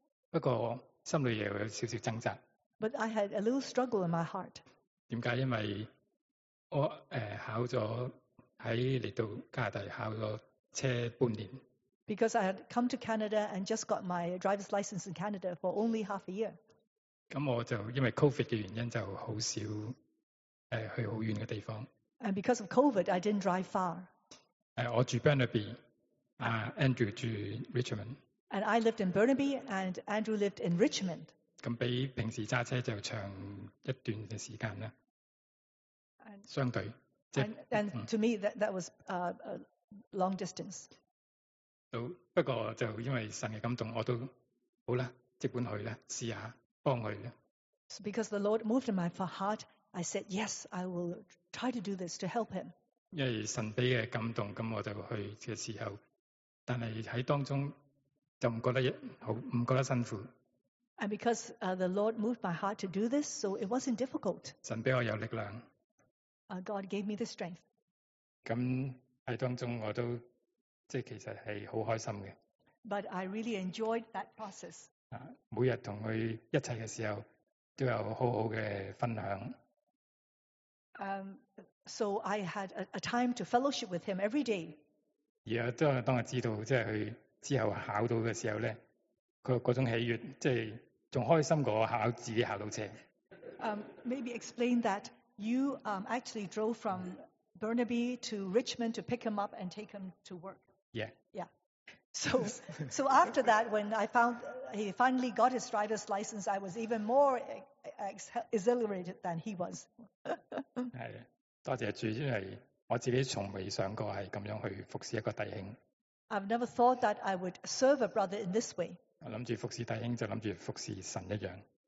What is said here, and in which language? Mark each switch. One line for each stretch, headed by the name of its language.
Cantonese: 不过心里又有少少挣扎。
English: But I had a little struggle in my heart.
Cantonese: 点解？因为我考咗喺嚟到加拿大考咗车半年。
English: Because I had come to Canada and just got my driver's license in Canada for only half a year.
Cantonese: 咁我就因为 COVID 嘅原因就好少。去好远嘅地方。
English: And because of COVID, I didn't drive far.
Cantonese: 我住 Burnaby， Andrew 住 Richmond。
English: And I lived in Burnaby, and Andrew lived in Richmond.
Cantonese: 咁比平时揸车就长一段嘅时间啦。相对，即系。
English: And to me, that was a long distance.
Cantonese: 不过就因为神嘅感动，我都好啦，即管去啦，试下帮佢啦。
English: So because the Lord moved in my heart. I said, yes, I will try to do this to help him.
Cantonese: 因为神俾嘅感动，咁我就去嘅时候，但系喺当中就唔觉得辛苦。
English: And because the Lord moved my heart to do this, so it wasn't difficult.
Cantonese: 神俾我有力量。
English: God gave me the strength.
Cantonese: 咁喺当中我都即系其实系好开心嘅。
English: But I really enjoyed that process.
Cantonese: 每日同佢一齐嘅时候都有好好嘅分享。
English: So I had a time to fellowship with him every day.
Cantonese: 而都系当我知道，即系佢之后考到嘅时候咧，佢嗰种喜悦，即系仲开心过我考自己考到车。
English: Maybe explain that you actually drove from Burnaby to Richmond to pick him up and take him to work. Yeah. Yeah. So after that, when I found he finally got his driver's license, I was even more exhilarated than he was.
Cantonese: 系，多谢主，因为我自己从未想过系咁样去服侍一个弟兄。
English: I've never thought that I would serve a brother in this way.
Cantonese: 我谂住服侍弟兄就谂住服侍神一样。